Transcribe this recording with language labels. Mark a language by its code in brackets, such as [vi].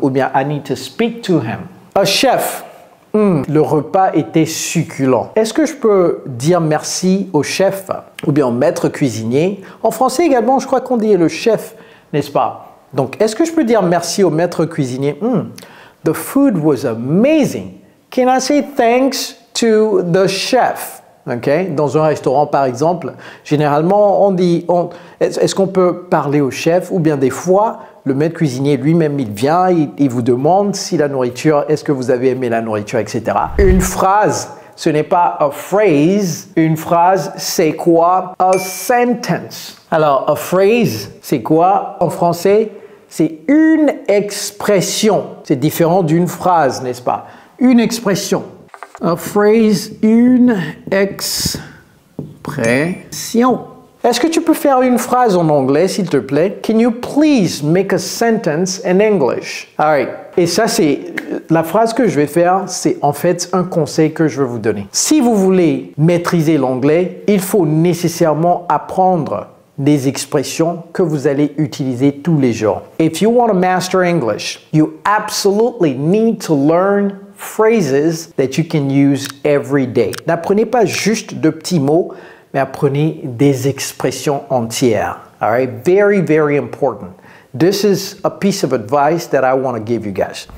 [fr] Ou bien, [en] I need to speak to him. [fr] A chef. Le repas était succulent. Est-ce que je peux dire merci au chef? Ou bien au maître cuisinier? En français également, je crois qu'on dit le chef, n'est-ce pas? Donc, est-ce que je peux dire merci au maître cuisinier? [en] The food was amazing. Can I say thanks to the chef, OK? [fr] Dans un restaurant, par exemple, généralement, on dit, est-ce qu'on peut parler au chef? Ou bien des fois, le maître cuisinier lui-même, il vient, il vous demande si la nourriture, est-ce que vous avez aimé la nourriture, etc. Une phrase, ce n'est pas a phrase. Une phrase, c'est quoi? [en] A sentence. [fr] Alors, a phrase, c'est quoi en français? C'est une expression. C'est différent d'une phrase, n'est-ce pas? Une expression. A phrase, une expression. Est-ce que tu peux faire une phrase en anglais, s'il te plaît? [en] Can you please make a sentence in English? All right. [fr] Et ça, c'est la phrase que je vais faire, c'est en fait un conseil que je veux vous donner. Si vous voulez maîtriser l'anglais, il faut nécessairement apprendre des expressions que vous allez utiliser tous les jours. [en] If you want to master English, you absolutely need to learn phrases that you can use every day. [fr] N'apprenez pas juste de petits mots, mais apprenez des expressions entières. [en] All right? Very, very important. This is a piece of advice that I want to give you guys.